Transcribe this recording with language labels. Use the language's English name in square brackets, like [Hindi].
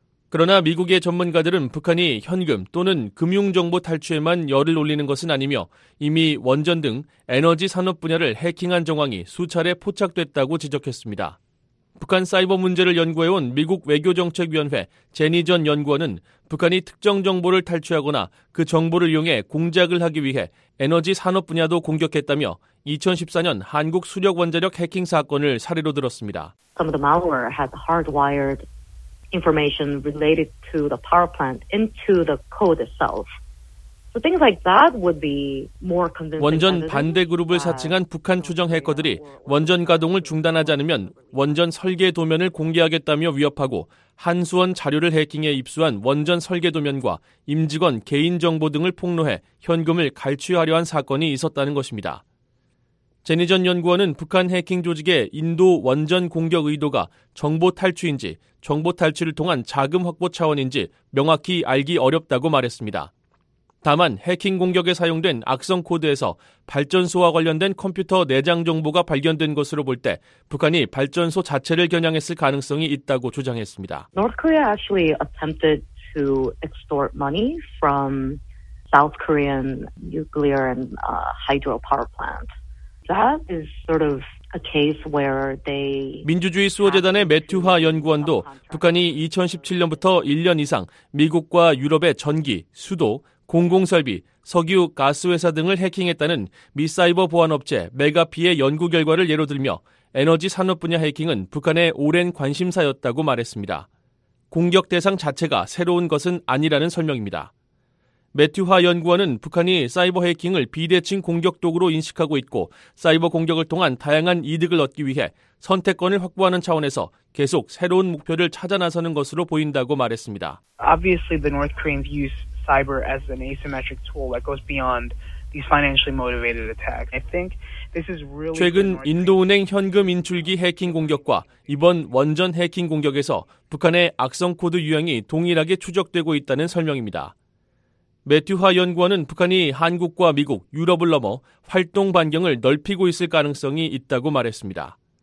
[Korean] 그러나 미국의 전문가들은 북한이 현금 또는 금융정보 탈취에만 열을 올리는 것은 아니며 이미 원전 등 에너지 산업 분야를 해킹한 정황이 수차례 포착됐다고 지적했습니다. 북한 사이버 문제를 연구해온 미국 외교정책위원회 제니 전 연구원은 북한이 특정 정보를 탈취하거나 그 정보를 이용해 공작을 하기 위해 에너지 산업 분야도 공격했다며 2014년 한국 수력 원자력 해킹 사건을 사례로 들었습니다. [English] Some of the malware had hardwired information related to the power plant into the code itself. So things like that would be more convincing. [Korean] 원전 반대 그룹을 사칭한 북한 추정 해커들이 원전 가동을 중단하지 않으면 원전 설계 도면을 공개하겠다며 위협하고 한수원 자료를 해킹해 입수한 원전 설계 도면과 임직원 개인 정보 등을 폭로해 현금을 갈취하려 한 사건이 있었다는 것입니다. 제니 전 연구원은 북한 해킹 조직의 인도 원전 공격 의도가 정보 탈취인지 정보 탈취를 통한 자금 확보 차원인지 명확히 알기 어렵다고 말했습니다. 다만 해킹 공격에 사용된 악성 코드에서 발전소와 관련된 컴퓨터 내장 정보가 발견된 것으로 볼 때 북한이 발전소 자체를 겨냥했을 가능성이 있다고 주장했습니다. [English] North Korea actually attempted to extort money from South Korean nuclear and hydro power plant. That is sort of a case where they [Korean] 민주주의 수호 재단의 매튜화 연구원도 북한이 2017년부터 1년 이상 미국과 유럽의 전기, 수도 공공설비, 석유, 가스회사 등을 해킹했다는 미사이버 보안업체 메가피의 연구 결과를 예로 들며 에너지 산업 분야 해킹은 북한의 오랜 관심사였다고 말했습니다. 공격 대상 자체가 새로운 것은 아니라는 설명입니다. 매튜화 연구원은 북한이 사이버 해킹을 비대칭 공격 도구로 인식하고 있고 사이버 공격을 통한 다양한 이득을 얻기 위해 선택권을 확보하는 차원에서 계속 새로운 목표를 찾아 나서는 것으로 보인다고 말했습니다. [English] Obviously, the North Koreans use cyber as an asymmetric tool that goes beyond these financially motivated attacks. I think this is really [Korean] 최근 인도은행 현금 인출기 해킹 공격과 이번 원전 해킹 공격에서 북한의 악성 코드 유형이 동일하게 추적되고 있다는 설명입니다. 매튜화 연구원은 북한이 한국과 미국, 유럽을 넘어 활동 반경을 넓히고 있을 가능성이 있다고 말했습니다.